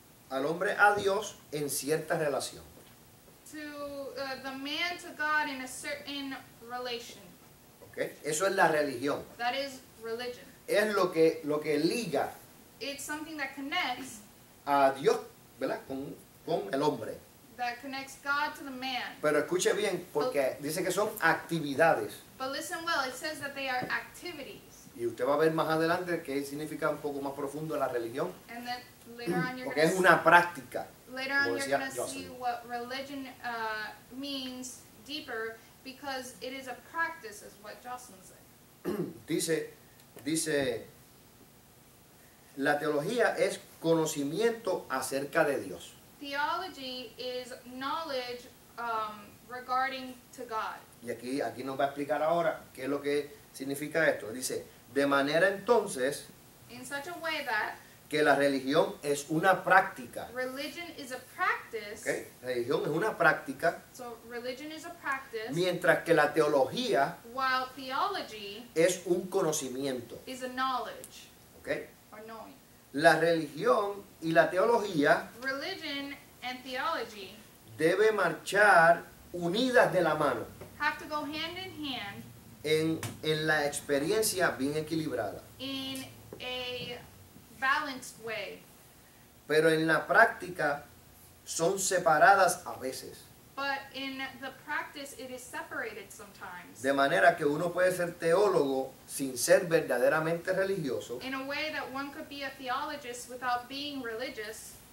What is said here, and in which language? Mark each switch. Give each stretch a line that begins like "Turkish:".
Spanish: al hombre a Dios en cierta relación.
English: To the man to God in a certain relation.
Spanish: Okay, eso es la religión.
English: That is religion.
Spanish: Es lo que liga.
English: It's something that connects
Spanish: a Dios, ¿verdad? Con el hombre.
English: That connects God to the man.
Spanish: Pero escuche bien, porque dice que son actividades.
English: But listen well, it says that they are activities.
Spanish: Y usted va a ver más adelante qué significa un poco más profundo la religión.
English: And then
Spanish: Porque es una práctica.
English: Later on, you're going to see what religion means deeper, because it is a practice, is what Jocelyn said.
Spanish: Dice, la teología es conocimiento acerca de Dios.
English: Theology is knowledge regarding to God.
Spanish: Y aquí nos va a explicar ahora qué es lo que significa esto. Dice, de manera entonces,
English: in such a way that,
Spanish: que la religión es una práctica.
English: Religion is a practice. Okay.
Spanish: Religión es una práctica.
English: So religion is a practice.
Spanish: Mientras que la teología,
English: while theology,
Spanish: es un conocimiento.
English: Is a knowledge. Okay. Or knowing.
Spanish: La religión y la teología,
English: religion and theology,
Spanish: debe marchar unidas de la mano.
English: Have to go hand in hand.
Spanish: En la experiencia bien equilibrada.
English: In a balanced way.
Spanish: Pero en la práctica son separadas a veces.
English: But in the practice it is separated sometimes.
Spanish: De manera que uno puede ser teólogo sin ser verdaderamente religioso.
English: In a way that one could be a theologist without being religious.